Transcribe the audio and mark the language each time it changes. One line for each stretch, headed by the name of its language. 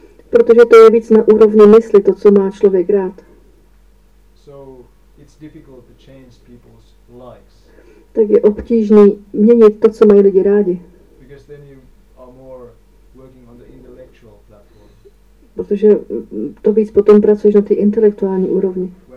Czech: Protože to je víc na úrovni mysli, to, co má člověk rád.
English: So it's difficult to change people's likes.
Czech: Tak je obtížný měnit to, co mají lidi rádi.
English: Because then you are more working on the intellectual platform.
Czech: Protože to víc potom pracuješ na té intelektuální úrovni.